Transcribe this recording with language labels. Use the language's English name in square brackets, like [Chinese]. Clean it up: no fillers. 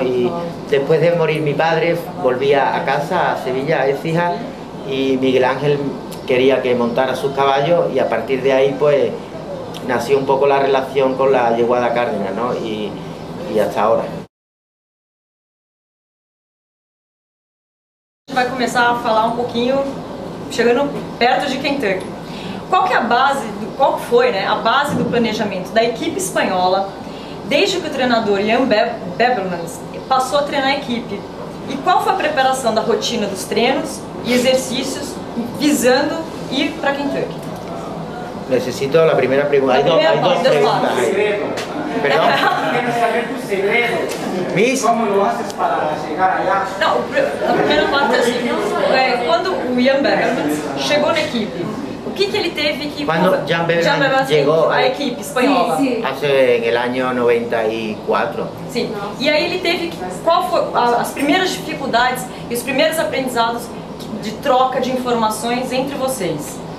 [Spanish] Y después de morir mi padre, volvía a casa, a Sevilla, a Écija, y Miguel Ángel quería que montara sus caballos y a partir de ahí pues nació un poco la relación con la Yeguada Cárdenas, ¿no? Y hasta ahora. Va a comenzar a hablar un poquito llegando perto de Kentucky. ¿Cuál que es la base? [Portuguese] Qual foi, né, a base do planejamento da equipe espanhola desde que o treinador Ian Bebelmans passou a treinar a equipe? E qual foi a preparação da rotina dos treinos e exercícios visando ir para Kentucky? Necessito a primeira pergunta. Há duas perguntas. Perdão? Quero saber o segredo. [English] Miss? [Spanish] Como lo haces para chegar allá? [Portuguese] Não, a primeira parte é assim. Quando o Ian Bebelmans chegou na equipe, [Spanish] cuando Jan Bebelmans llegó a la equipe española, sí. Hace en el año 94. Sí. Y ahí él teve cuáles fueron las primeras dificultades y los primeros [Portuguese] aprendizados de troca [Spanish] de informaciones entre ustedes.